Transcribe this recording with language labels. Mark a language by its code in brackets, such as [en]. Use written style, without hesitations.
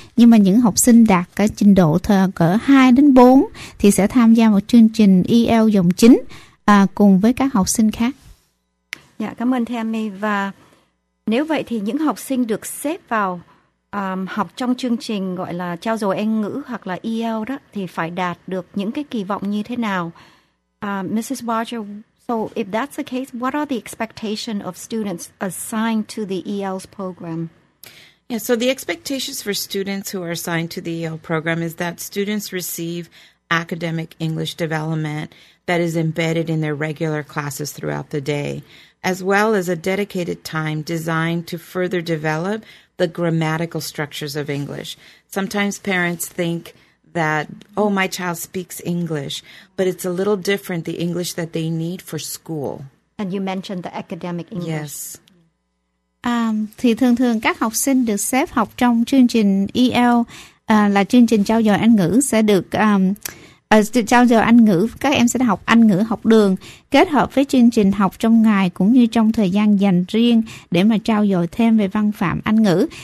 [vi] Nhưng mà những học sinh đạt cái trình độ cỡ 2 đến 4 thì sẽ tham gia một chương trình EL dòng chính cùng với các học sinh khác. Dạ, cảm ơn Tammy. Và nếu vậy thì những học sinh được xếp vào học trong chương trình gọi là trao dồi Anh ngữ hoặc là EL đó thì phải đạt được những cái kỳ vọng như thế nào? [en] Mrs. Roger, so if that's the case, what are the expectations of students assigned to the EL's program? Yeah, so the expectations for students who are assigned to the EL program is that students receive academic English development that is embedded in their regular classes throughout the day, as well as a dedicated time designed to further develop the grammatical structures of English. Sometimes parents think that, oh, my child speaks English, but it's a little different, the English that they need for school. And you mentioned the academic English. Yes. [vi] Thì thường thường các học sinh được xếp học trong chương trình EL là chương trình trao dồi Anh ngữ sẽ được trao dồi Anh ngữ, các em sẽ học Anh ngữ học đường kết hợp với chương trình học trong ngày cũng như trong thời gian dành riêng để mà trao dồi thêm về văn phạm Anh ngữ.